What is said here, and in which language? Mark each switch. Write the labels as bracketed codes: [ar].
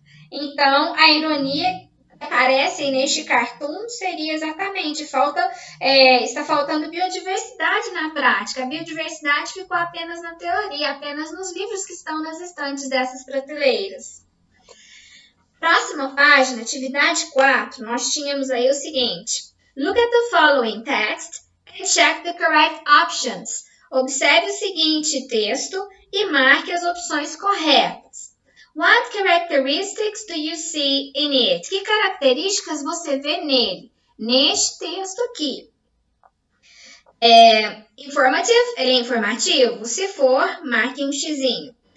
[pt] Então, a ironia aparece neste cartoon seria exatamente, está faltando biodiversidade na prática. A biodiversidade ficou apenas na teoria, apenas nos livros que estão nas estantes dessas prateleiras. Próxima página, atividade 4, nós tínhamos aí o seguinte. [en] Look at the following text and check the correct options. [pt] Observe o seguinte texto e marque as opções corretas. [en] What characteristics do you see in it? [pt] Que características você vê nele, neste texto aqui? Informative, ele é informativo. Se for, marque um xizinho.